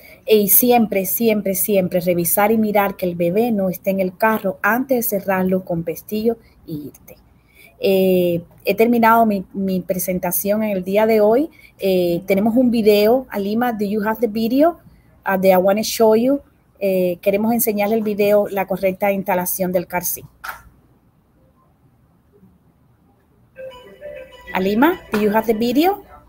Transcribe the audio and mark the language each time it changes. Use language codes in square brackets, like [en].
[es] Y siempre, siempre, siempre revisar y mirar que el bebé no esté en el carro antes de cerrarlo con pestillo y irte. He terminado mi presentación en el día de hoy. Tenemos un video. [en] Alima, do you have the video that I want to show you? [es] Queremos enseñarle el video, la correcta instalación del car seat. [en] Alima, do you have the video?